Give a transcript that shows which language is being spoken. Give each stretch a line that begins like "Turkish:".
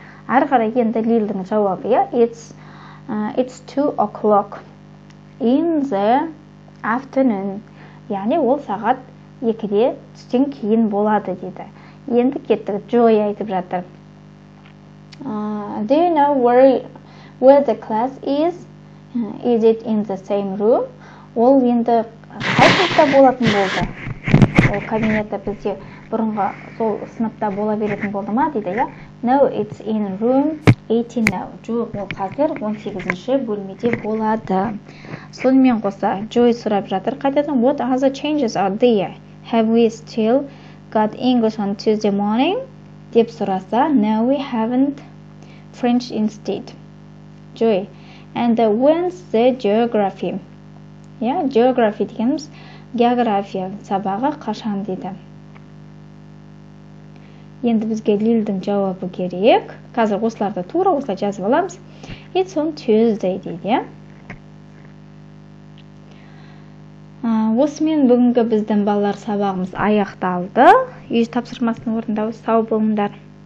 Kazakh: Әрі қарай енді Лилдің жауабы, иә?
English: It's 2:00 in the afternoon.
Kazakh: Яғни ол сағат 2-де түстен кейін болады дейді. Енді кеттік. Joy айтып жатыр.
English: Do you know where the class is? Is it in the same room?
Kazakh: Ол енді қай сыныпта болатын болды? Ол кабинеті бізде бұрынғы сол сыныпта бола беретін болды ма дейді, иә?
English: No, it's in room 18 now.
Kazakh: Жоқ, ол қазір 18-ші бөлмеде болады. Сонымен қоса Joy сұрап жатыр. Қайтадан,
English: what other changes are there? Have we still got English on Tuesday morning?
Kazakh: Деп сұраса,
English: no, we haven't. French instead. Joy. And when's the geography? Yeah, geography
Kazakh: дегеніміз, география сабағы қашан дейді. Енді бізге Лилдің жауабы керек. Қазір осыларды тура осылай жазып аламыз.
English: It's on Tuesday
Kazakh: дейді. Осымен бүгінгі біздің балалар сабағымыз аяқталды. Үй тапсырмасын орындау. Сау болыңдар.